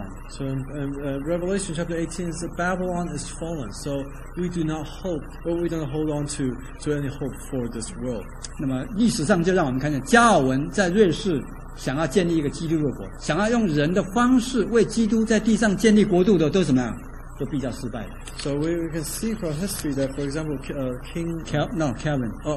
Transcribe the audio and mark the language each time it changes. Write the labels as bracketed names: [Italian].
[English] So Revelation chapter 18 is that Babylon is fallen. So we do not hope, but we don't hold on to any hope for this world. [Chinese] 那么历史上就让我们看见加尔文在瑞士想要建立一个基督的国，想要用人的方式为基督在地上建立国度的都是什么样？ [English] So we can see from history that, for example, Calvin.